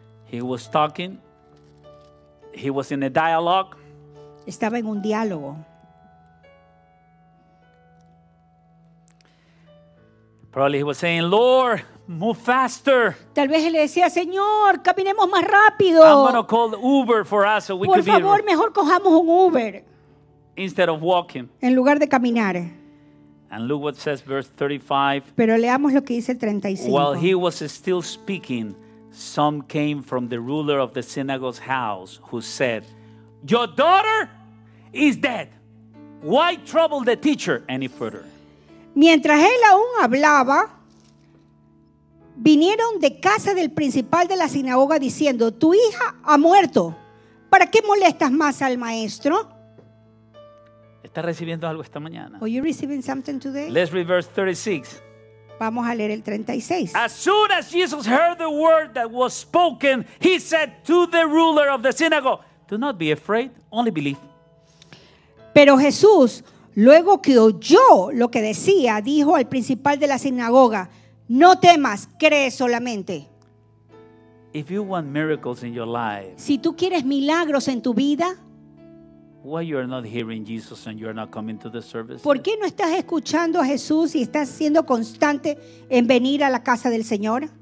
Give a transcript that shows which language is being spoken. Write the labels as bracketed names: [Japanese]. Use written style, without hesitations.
[English] He was talking. He was in a dialogue. [Spanish] Estaba en un diálogo. [English] Probably he was saying, "Lord, move faster." [Spanish] Tal vez él le decía, "Señor, caminemos más rápido." [English] I'm going to call Uber for us so we [Spanish] Por [English] could [Spanish] favor, [English] be... [Spanish] mejor cojamos un Uber. [English] Instead of walking. [Spanish] En lugar de caminar. [English] And look what says verse 35. [Spanish] Pero leamos lo que dice el 35. [English] While he was still speaking, some came from the ruler of the synagogue's house who said, "Your daughter is dead. Why trouble the teacher any further?" [Spanish] Mientras él aún hablaba, vinieron de casa del principal de la sinagoga diciendo, "Tu hija ha muerto. ¿Para qué molestas más al maestro?" ¿Estás recibiendo algo esta mañana? [English] Are you receiving something today? Let's read verse 36. [Spanish] Vamos a leer el 36. [English] As soon as Jesus heard the word that was spoken, he said to the ruler of the synagogue, "Do not be afraid, only believe." [Spanish] Pero Jesús, luego que oyó lo que decía, dijo al principal de la sinagoga, "No temas, cree solamente." [English] If you want miracles in your life, [Spanish] si tú quieres milagros en tu vida, [English] why you are not hearing Jesus and you are not coming to the service? [Spanish] ¿Por qué no estás escuchando a Jesús y estás siendo constante en venir a la casa del Señor?